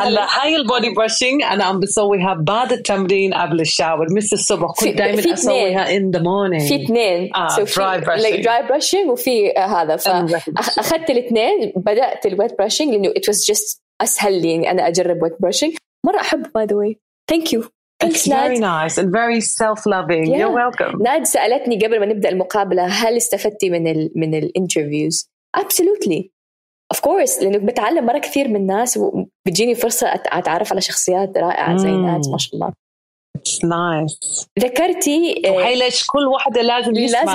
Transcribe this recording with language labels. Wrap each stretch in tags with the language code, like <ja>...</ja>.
<ar>هلا هاي البودي بروشينج أنا عم بسويها بعد التمرين قبل الشاور مثل الصبح، كنت دائما أسويها</ar> <en>in the morning.</en> <ar>في اثنين</ar> <en>dry brushing. Like dry brushing</en> <ar>وفي هذا، فأخذت الاثنين، بدأت الويت بروشينج لأنه</ar> <en>it was just</en> <ar>أسهل لي أنا أجرب ويت بروشينج. مرة أحب،</ar> <en>by the way. Thank you. Thanks, it's very nice and very self-loving. Yeah. You're welcome.</en> <ar>ناد سألتني قبل ما نبدأ المقابلة هل استفدتي من الانترفيوز؟</ar> <en>Absolutely. Of course.</en> <ar>لأنه بتعلم مرة كثير من الناس وبتجيني فرصة أتعرف على شخصيات رائعة زي ناد، ما شاء الله.</ar> <en>It's nice.</en> <ar>ذكرتي وحيلش كل واحدة لازم يسمع.</ar>